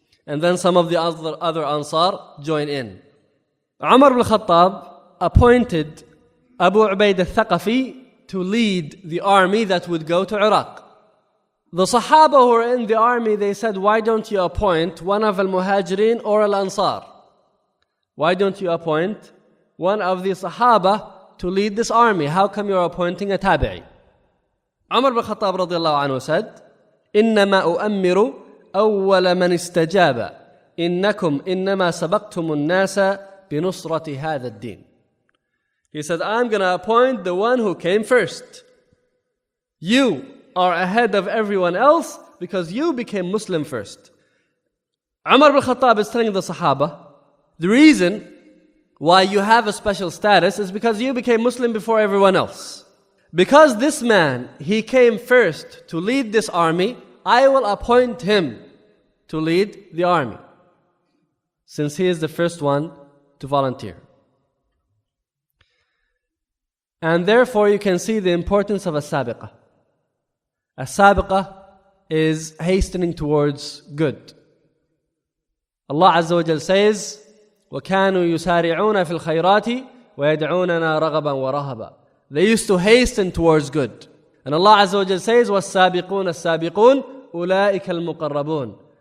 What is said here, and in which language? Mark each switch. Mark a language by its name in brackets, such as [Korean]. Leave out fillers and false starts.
[English] And then some of the other Ansar join in. Umar bin Khattab appointed Abu Ubaid al-Thaqafi to lead the army that would go to Iraq. The Sahaba who were in the army, they said, why don't you appoint one of al-Muhajirin or al-Ansar? Why don't you appoint one of the Sahaba to lead this army? How come you're appointing a tabi'i? Umar bin Khattab radiallahu anhu said, [Arabic] إِنَّمَا أُؤَمِّرُ أَوَّلَ مَنِ اسْتَجَابَ إِنَّكُمْ إِنَّمَا سَبَقْتُمُ النَّاسَ بِنُصْرَةِ هَذَا الدِّينِ. [English] He said, I'm going to appoint the one who came first. You are ahead of everyone else because you became Muslim first. Umar bin Khattab is telling the Sahaba, the reason why you have a special status is because you became Muslim before everyone else. Because this man, he came first to lead this army, I will appoint him to lead the army, since he is the first one to volunteer. And therefore, you can see the importance of a sabiqa. A sabiqa is hastening towards good. Allah Azza wa Jalla says, [Arabic] وَكَانُوا يُسَارِعُونَ فِي الْخَيْرَاتِ وَيَدْعُونَنَا رَغَبًا وَرَهَبًا. [English] They used to hasten towards good. And Allah Azza wa Jalla says, [Arabic] وَالسَّابِقُونَ السَّابِقُونَ أُولَٰئِكَ الْمُقَرَّبُونَ.